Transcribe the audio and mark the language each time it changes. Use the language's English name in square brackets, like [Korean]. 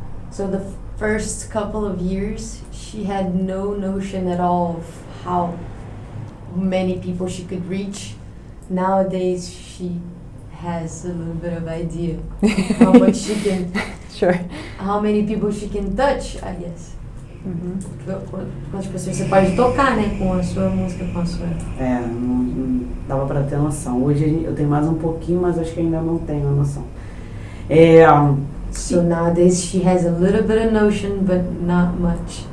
[English] So the first couple of years, she had no notion at all of how many people she could reach. Nowadays, she has a little bit of idea how much she can, sure, how many people she can touch, I guess. Mm-hmm. [Portuguese] Quantas pessoas você pode tocar, né, com a sua música, com a sua... É, não dava para ter noção. Hoje eu tenho mais um pouquinho, mas acho que ainda não tenho a noção. [English] So nowadays she has a little bit of notion, but not much.